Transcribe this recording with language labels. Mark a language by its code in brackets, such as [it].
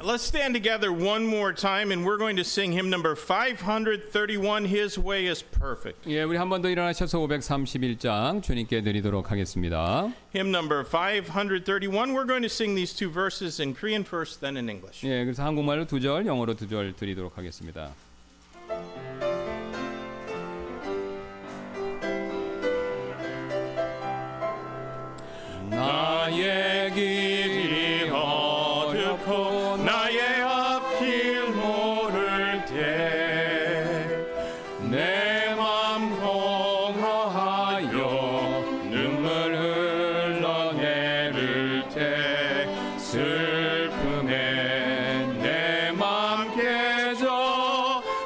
[en] Let's stand together one more time, and we're going to sing hymn number 531, His Way is Perfect. [ko] 예, 우리 한 번 더 일어나셔서 531장 주님께 드리도록 하겠습니다. [en] Hymn number 531, we're going to sing these two verses in Korean first, then in English. [ko] 예, 그래서 한국말로 두 절, 영어로 두 절 드리도록 하겠습니다. 나의 길이 어둡고 나의 앞길 모를 때 내 맘 공허하여 눈물 흘러내릴 때 슬픔에 내 맘 깨져